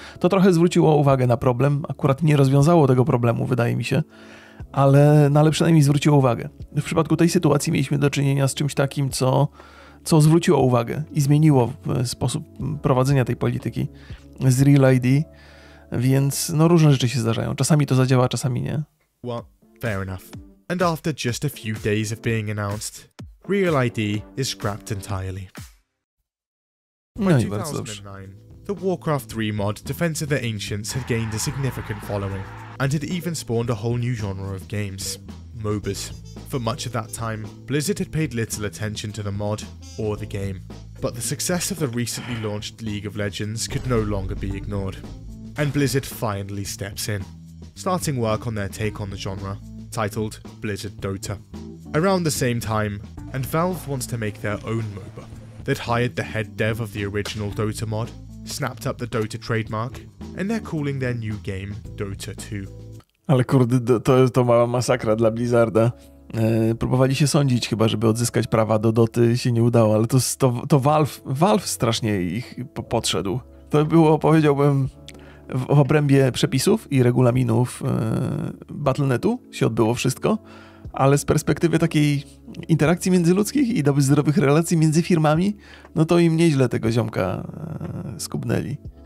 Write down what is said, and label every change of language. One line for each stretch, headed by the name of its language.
Polish: To trochę zwróciło uwagę na problem, akurat nie rozwiązało tego problemu, wydaje mi się, ale przynajmniej zwróciło uwagę. W przypadku tej sytuacji mieliśmy do czynienia z czymś takim, co zwróciło uwagę i zmieniło sposób prowadzenia tej polityki z Real ID, więc no, różne rzeczy się zdarzają. Czasami to zadziała, czasami nie.
English: Well, fair enough. And after just a few days of being announced, Real ID is scrapped entirely. By 2009, the Warcraft 3 mod Defense of the Ancients had gained a significant following, and had even spawned a whole new genre of games, MOBAs. For much of that time, Blizzard had paid little attention to the mod or the game, but the success of the recently launched League of Legends could no longer be ignored. And Blizzard finally steps in, starting work on their take on the genre, titled Blizzard Dota. Around the same time, and Valve wants to make their own MOBA. They'd hired the head dev of the original Dota mod, snapped up the Dota trademark, and they're calling their new game Dota 2.
Polish: Ale kurde, to mała masakra dla Blizzarda. Próbowali się sądzić chyba, żeby odzyskać prawa do Doty, się nie udało, ale to Valve strasznie ich podszedł. To było, powiedziałbym, w obrębie przepisów i regulaminów Battle.netu się odbyło wszystko, ale z perspektywy takiej interakcji międzyludzkich i dobrych zdrowych relacji między firmami, no to im nieźle tego ziomka skubnęli.